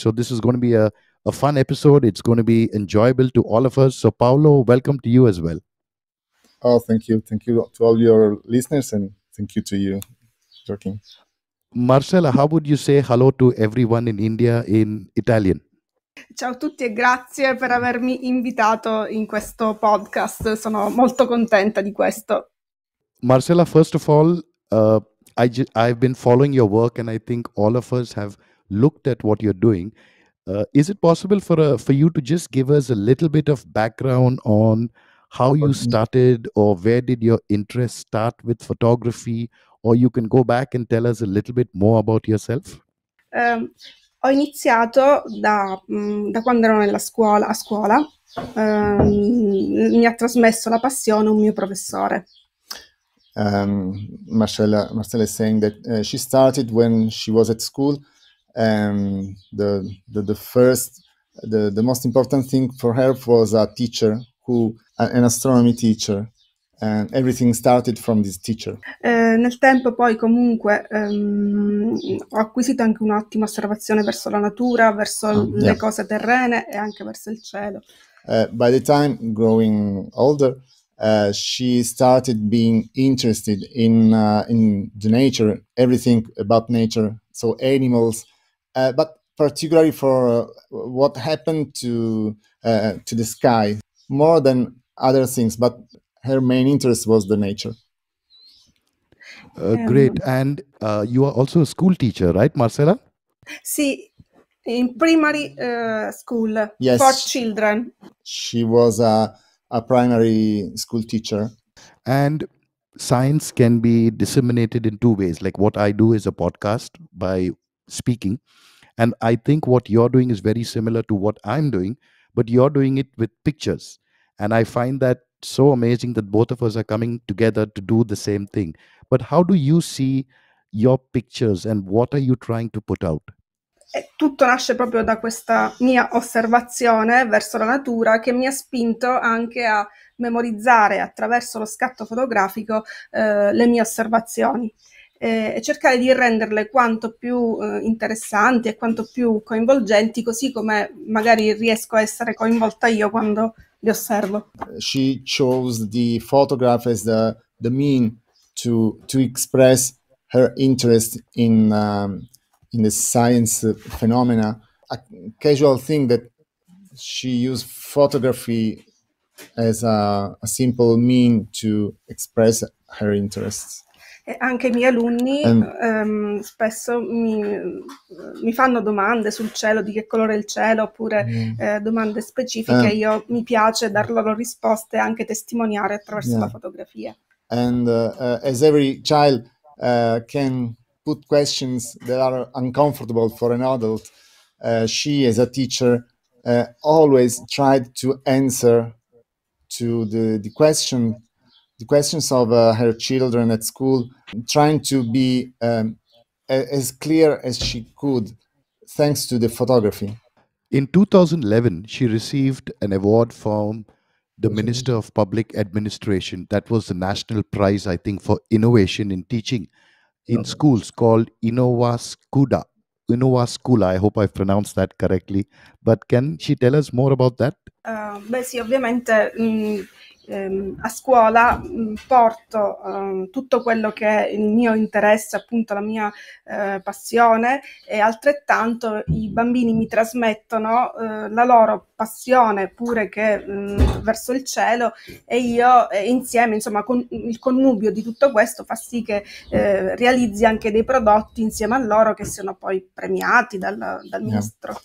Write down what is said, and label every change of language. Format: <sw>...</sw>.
<en>So this is going to be a fun episode. It's going to be enjoyable to all of us. So Paolo, welcome to you as well. Oh, thank you. Thank you to all your listeners and thank you to you, Joaquin. Marcella, how would you say hello to everyone in India in Italian?</en> <it>Ciao a tutti e grazie per avermi invitato in questo podcast. Sono molto contenta di questo.</it> <en>Marcella, first of all, I've been following your work and I think all of us have looked at what you're doing. Is it possible for you to just give us a little bit of background on how you started, or where did your interest start with photography, or you can go back and tell us a little bit more about yourself?</en> <it>Ho iniziato da quando ero nella scuola, a scuola. Mi ha trasmesso la passione un mio professore.</it> <en>Marcella is saying that she started when she was at school, and the most important thing for her was a teacher, an astronomy teacher, and everything started from this teacher.</en> <it>Nel tempo poi comunque ho acquisito anche un'ottima osservazione verso la natura, verso le cose terrene e anche verso il cielo.</it> <en>By the time growing older, she started being interested in the nature, everything about nature, so animals, but particularly for what happened to the sky, more than other things, but her main interest was the nature. Great. And you are also a school teacher, right, Marcella? Sì, in primary school, yes, for children. She was a primary school teacher. And science can be disseminated in two ways. Like what I do is a podcast by speaking. And I think what you're doing is very similar to what I'm doing, but you're doing it with pictures. And I find that so amazing that both of us are coming together to do the same thing. But how do you see your pictures and what are you trying to put out?</en> <it>Tutto nasce proprio da questa mia osservazione verso la natura che mi ha spinto anche a memorizzare attraverso lo scatto fotografico le mie osservazioni e cercare di renderle quanto più interessanti e quanto più coinvolgenti, così come magari riesco a essere coinvolta io quando li osservo.</it> <en>She chose the photograph as the mean to express her interest in the science phenomena. A casual thing that she used photography as a simple mean to express her interests.</en> <it>Anche i miei alunni spesso mi fanno domande sul cielo, di che colore è il cielo, oppure domande specifiche. Io mi piace dar loro risposte, anche testimoniare attraverso la fotografia.</it> <en>And as every child can put questions that are uncomfortable for an adult, she as a teacher always tried to answer to the questions of her children at school, trying to be as clear as she could, thanks to the photography. In 2011, she received an award from the Minister of Public Administration. That was the national prize, I think, for innovation in teaching in schools, called Innovascuola. Innovascuola, I hope I pronounced that correctly. But can she tell us more about that?</en> <it>Sì, ovviamente a scuola porto tutto quello che è il mio interesse, appunto la mia passione, e altrettanto i bambini mi trasmettono la loro passione pure che verso il cielo, e io insieme, insomma, con il connubio di tutto questo fa sì che realizzi anche dei prodotti insieme a loro che siano poi premiati dal ministro.</it>